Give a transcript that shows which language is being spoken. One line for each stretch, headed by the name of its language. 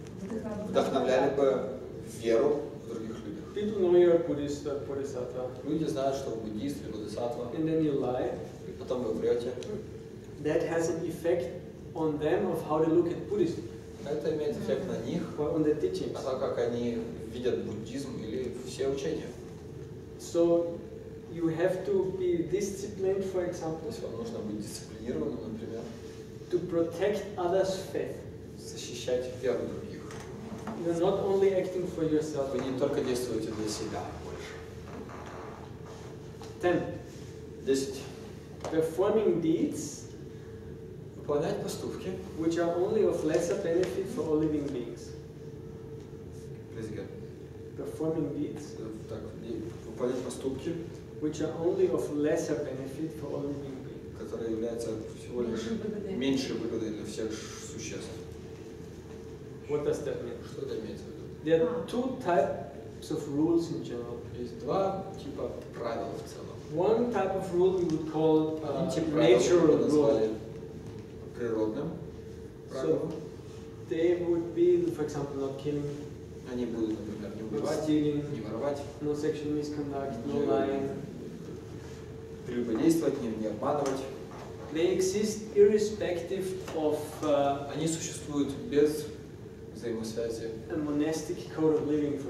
Russian: Они бы вдохновляли бы веру в других людях.
English: People know you're Buddhist, Bodhisattva.
Russian: Люди знают, что вы буддист или Бодхисаттва.
English: And then you lie.
Russian: И потом вы врете.
English: That has an effect on them of how they look at Buddhism.
Russian: Это имеет эффект на них,
English: on the teachings.
Russian: А то, как они видят буддизм или все учения.
English: So you have to be disciplined, for example.
Russian: То есть вам нужно быть дисциплинированным, например.
English: To protect others' faith.
Russian: Защищать веру других.
English: You're not only acting for yourself.
Russian: Вы не только действуете для себя больше.
English: 10.
Russian: 10.
English: Performing deeds.
Russian: Выполнять поступки.
English: Which are only of lesser benefit for all living beings. Please again. Performing deeds.
Russian: Так, выполнять поступки,
English: which are only of lesser benefit for all living beings.
Russian: Которые являются всего лишь меньшей выгодой для всех существ.
English: What does that mean?
Russian: Что это имеется в виду?
English: There are two types of rules in general.
Russian: Есть два типа правил в целом.
English: One type of rule we would call natural rule.
Russian: Природным правилом.
English: So they would be, for example, not killing.
Russian: Они будут, например, не убивать, не воровать,
English: no sexual misconduct, no lying,
Russian: прелюбодействовать, не обманывать.
English: They exist irrespective of.
Russian: Они существуют без взаимосвязи.
English: A monastic code of living, for